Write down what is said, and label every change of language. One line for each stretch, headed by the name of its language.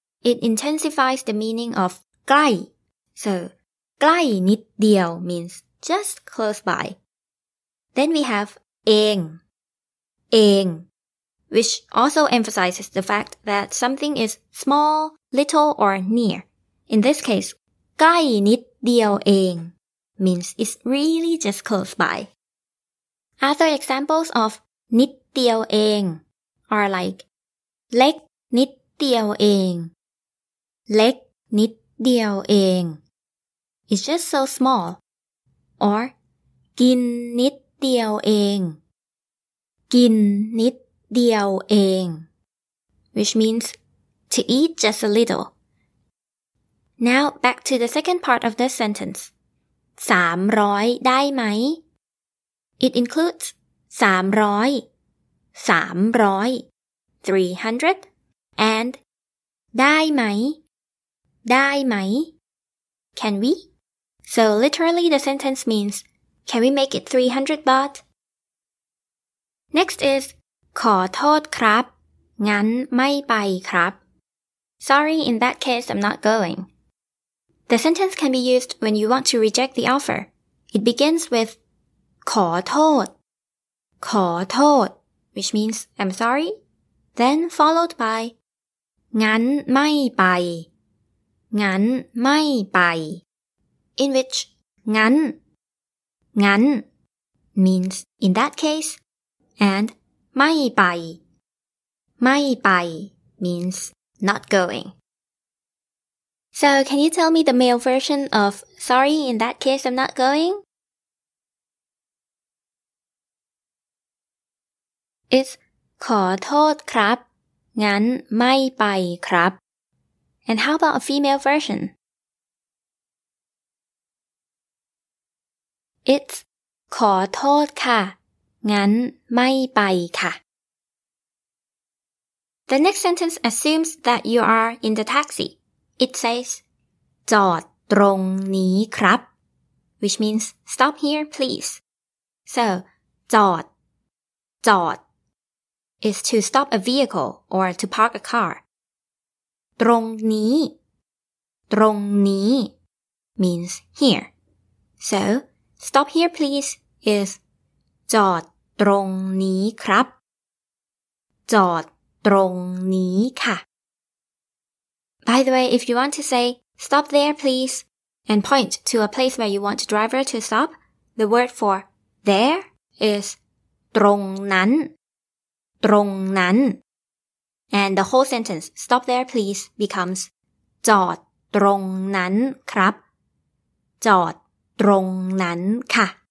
English: it intensifies the meaning of ใกล้ so ใกล้นิดเดียว means just close by then we have เองเองWhich also emphasizes the fact that something is small, little, or near. In this case, ใกล้นิดเดียวเอง means it's really just close by. Other examples of นิดเดียวเอง are like
Thai: เล็กนิดเดียวเอง เล็กนิดเดียวเอง
English: it's just so small. Or
Thai: กินนิดเดียวเอง กินนิดเดียวเอง
English: which means to eat just a little. Now back to the second part of this sentence.
Thai: 300ได้ไหม?
English: It includes 300, 300, 300, and ได้ไหม? ได้ไหม? Can we? So literally the sentence means can we make it 300 baht? Next is
Thai: ขอโทษครับ งั้นไม่ไปครับ
English: Sorry, in that case, I'm not going. The sentence can be used when you want to reject the offer. It begins with ขอโทษ ขอโทษ which means I'm sorry, then followed by งั้นไม่ไป งั้นไม่ไป in which งั้น งั้น means in that case, andไม่ไป ไม่ไป means not going. So can you tell me the male version of sorry in that case I'm not going? It's
Thai: ขอโทษครับ งั้นไม่ไปครับ
English: And how about a female version? It's
Thai: ขอโทษค่ะ งั้นไม่ไปค่ะ
English: The next sentence assumes that you are in the taxi. It says,
Thai: จอดตรงนี้ครับ
English: which means stop here, please. So, จอด is to stop a vehicle or to park a car. ตรงนี้ตรงนี้ means here. So, stop here, please is
Thai: จอดตรงนี้ครับจอดตรงนี้ค่ะ
English: By the way, if you want to say stop there please and point to a place where you want the driver to stop, the word for there is ตรงนั้นตรงนั้น and the whole sentence stop there please becomes
Thai: จอดตรงนั้นครับจอดตรงนั้นค่ะ